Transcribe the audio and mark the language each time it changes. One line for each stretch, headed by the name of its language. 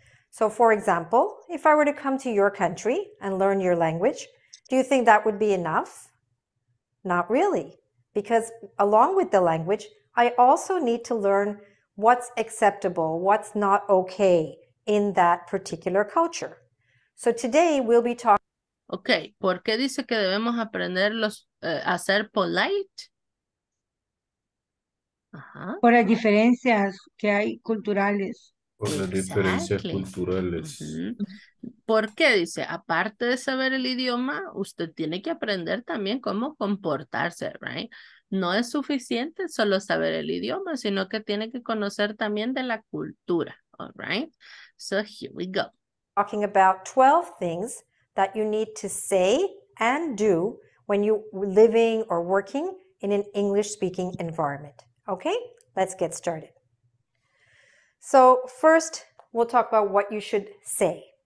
English: So for example, if I were to come to your country and learn your language, do you think that would be enough? Not really, because along with the language, I also need to learn what's acceptable, what's not okay in that particular culture. So today we'll be talking.
Spanish: Okay, ¿por qué dice que debemos aprender los a ser polite? Por las diferencias que hay culturales. Por las diferencias culturales. ¿Por qué dice? Aparte de saber el idioma, usted tiene que aprender también cómo comportarse, right? No es suficiente solo saber el idioma, sino que tiene que conocer también de la cultura,
English: all right? So here we go. Talking about 12 things that you need to say and do when you're living or working in an English-speaking environment. Okay, let's get started. So first, we'll talk about what you should say.